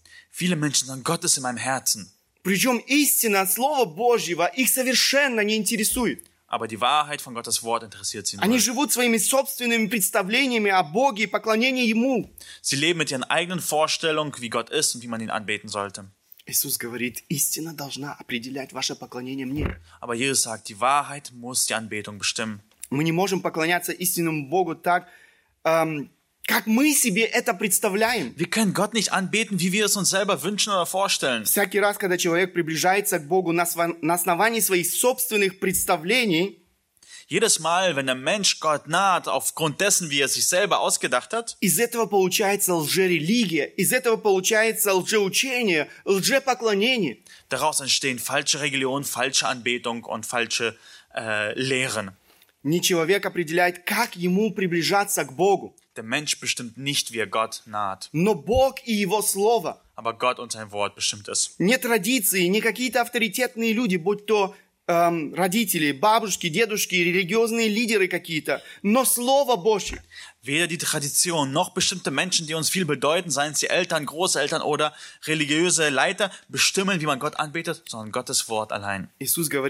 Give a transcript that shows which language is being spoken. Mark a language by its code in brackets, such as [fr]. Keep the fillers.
[de] Viele Menschen sagen, Gott ist in meinem Herzen. [ru] Причем истина от Слова Божьего их совершенно не интересует. [de] Aber die Wahrheit von Gottes Wort interessiert sie nur. [ru] Они живут своими собственными представлениями о Боге и поклонении Ему. [de] Sie leben mit ihren eigenen Vorstellungen, wie Gott ist und wie man ihn anbeten sollte. [ru] Иисус говорит, истина должна определять ваше поклонение мне. [de] Aber Jesus sagt, die Wahrheit muss die Anbetung bestimmen. [ru] Мы не можем поклоняться истинному Богу так, ähm, как мы себе это представляем. [de] Wir können Gott nicht anbeten, wie wir es uns selber wünschen oder vorstellen. [ru] Всякий раз, когда человек приближается к Богу на, на основании своих собственных представлений, [de] jedes Mal, wenn der Mensch Gott naht, aufgrund dessen, wie er sich selber ausgedacht hat, [ru] из этого получается лжерелигия, из этого получается лжеучение, лжепоклонение. [de] Daraus entstehen falsche Religionen, falsche Anbetung und falsche äh, Lehren. [ru] Не человек определяет, как ему приближаться к Богу. [de] Der Mensch bestimmt nicht, wie er Gott naht. [ru] Но Бог и Его Слово. [de] Aber Gott und sein Wort bestimmt es. [ru] Не nee, традиции, не nee, какие-то авторитетные люди, будь то ähm, родители, бабушки, дедушки, религиозные лидеры какие-то, но Слово Божье. [de] weder die Tradition noch bestimmte Menschen, die uns viel bedeuten, seien sie Eltern, Großeltern oder religiöse Leiter, bestimmen, wie man Gott anbetet, sondern Gottes Wort allein. Jesus